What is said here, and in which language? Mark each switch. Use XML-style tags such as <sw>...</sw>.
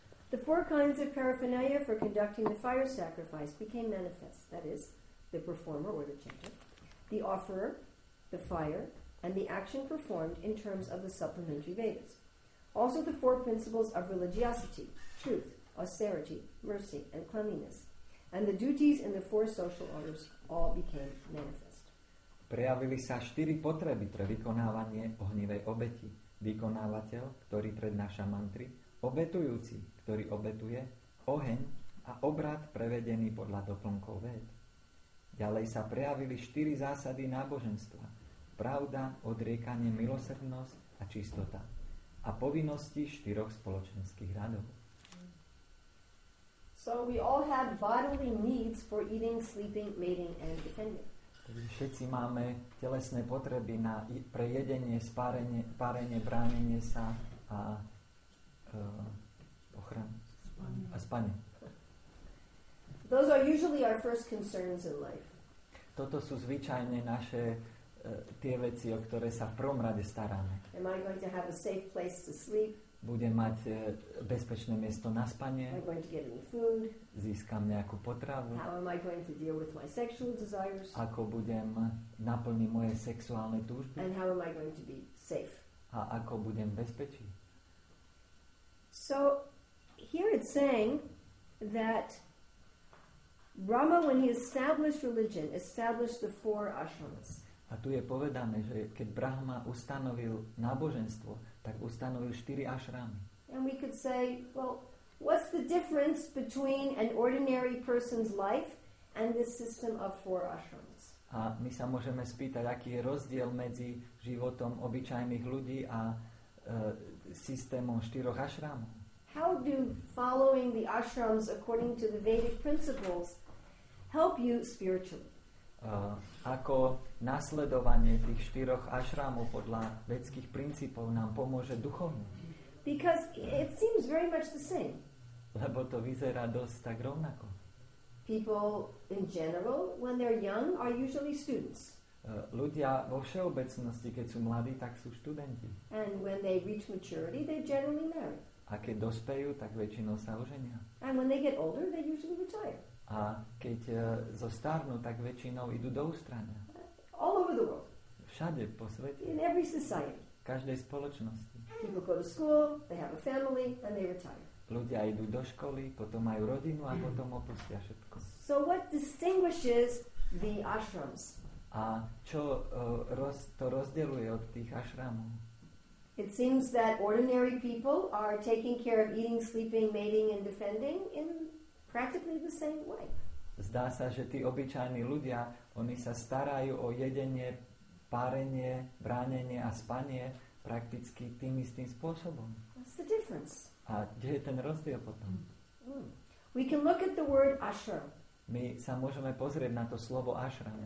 <en>The four kinds of paraphernalia for conducting the fire sacrifice became manifest, that is, the performer or the chanter, the offerer, the fire, and the action performed in terms of the supplementary Vedas. Also the four principles of religiosity, truth, austerity, mercy, and cleanliness, and the duties in the four social orders all became manifest.</en> <sk>Prejavili sa štyri potreby pre vykonávanie ohnivej obeti. Vykonávateľ, ktorý prednáša mantry, obetujúci, ktorý obetuje, oheň a obrad prevedený podľa doplnkov Véd. Ďalej sa prejavili štyri zásady náboženstva, pravda, odriekanie, milosrdnosť a čistota a povinnosti štyroch spoločenských radov.</sk> <en>So we all have bodily needs for eating, sleeping, mating and defending.</en> <sk>Takže všetci máme telesné potreby na pre jedenie, spárenie, párenie, bránenie sa a ochranu a spanie.</sk> <en>Those are usually our first concerns in life.</en> <sk>Toto sú zvyčajne naše tie veci, o ktoré sa v prvom rade staráme.</sk> <en>Am I going to have a safe place to sleep?</en> <sk>Budem mať bezpečné miesto na spanie.</sk> <en>Am I going to get any food?</en> <sk>Získam nejakú potravu.</sk> <en>How am I going to deal with my sexual desires?</en> <sk>Ako budem naplniť moje sexuálne túžby?</sk> <en>And how am I going to be safe?</en> <sk>A ako budem bezpečný?</sk> <en>So here it's saying that Brahma, when he established religion, established the four ashramas.</en> <sk>A tu je povedané, že keď Brahma ustanovil náboženstvo, tak ustanovil štyri ašrámy.</sk> <en>And we could say, well, what's the difference between an ordinary person's life and this system of four ashrams?</en> <sk>A my sa môžeme spýtať, aký je rozdiel medzi životom obyčajných ľudí a systémom štyroch ašrámov.</sk> <en>How do following the ashrams according to the Vedic principles help you spiritually?</en> <sk>Ako nasledovanie tých štyroch ašrámov podľa vedských princípov nám pomôže duchovne.</sk> <en>Because it seems very much the same.</en> <sk>Lebo to vyzerá dosť tak rovnako.</sk> <en>People in general, when they're young, are usually students.</en> <sk>Ľudia vo všeobecnosti, keď sú mladí, tak sú študenti.</sk> <en>And when they reach maturity, they generally marry.</en> <sk>A keď dospejú, tak väčšinou sa oženia.</sk> <en>And when they get older, they usually retire.</en> <sk>A keď zostarnú, tak väčšinou idú do ústrania.</sk> <en>All over the world.</en> <sk>Všade po svete.</sk> <en>In every society.</en> <sk>V každej spoločnosti.</sk> <en>People go to school, they have a family, and they retire.</en> <sk>Ľudia idú do školy, potom majú rodinu a potom opustia všetko.</sk> <en>So what distinguishes the ashrams?</en> <sk>A čo to rozdeľuje od tých ashramov?</sk> <en>It seems that ordinary people are taking care of eating, sleeping, mating and defending in practically the same way.</en> <sk>Zdá sa, že tí obyčajní ľudia, oni sa starajú o jedenie, párenie, bránenie a spanie prakticky tým istým spôsobom.</sk> <en>What's the difference?</en> <sk>A kde je ten rozdiel potom?</sk> <en>We can look at the word ashram.</en> <sk>My sa môžeme pozrieť na to slovo ashram.</sk>